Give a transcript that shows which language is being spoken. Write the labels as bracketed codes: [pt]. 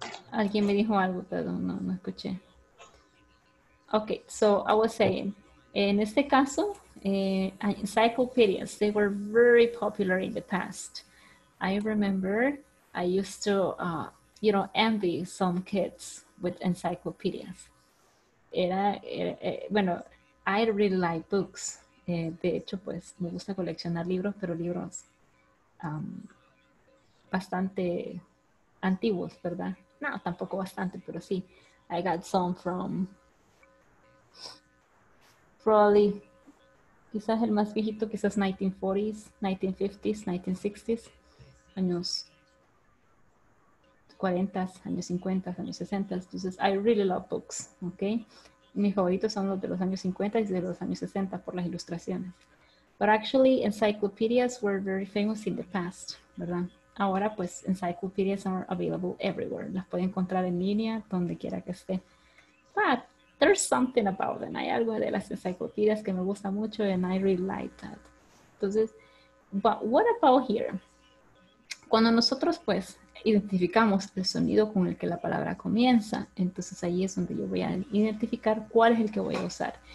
[es] Alguien me dijo algo, pero no, no escuché. [en] Okay, so I was saying, [es] en este caso, [en] encyclopedias, they were very popular in the past. I remember I used to, envy some kids with encyclopedias. I really like books. [es] De hecho, pues, me gusta coleccionar libros, pero libros bastante antiguos, ¿verdad? No, tampoco bastante, pero sí. [en] I got some from probably, [es] quizás el más viejito, quizás 1940s, 1950s, 1960s, años 40s, años 50s, años 60s. [en] Entonces, I really love books, okay? [es] Mis favoritos son los de los años 50 y de los años 60 por las ilustraciones. [en] But actually, encyclopedias were very famous in the past, ¿verdad? [es] Ahora, pues, [en] encyclopedias are available everywhere. [es] Las puede encontrar en línea, donde quiera que esté. [en] But there's something about them. [es] Hay algo de las encyclopedias que me gusta mucho, [en] and I really like that. [es] Entonces, [en] but what about here? [es] Cuando nosotros, pues, identificamos el sonido con el que la palabra comienza, entonces ahí es donde yo voy a identificar cuál es el que voy a usar.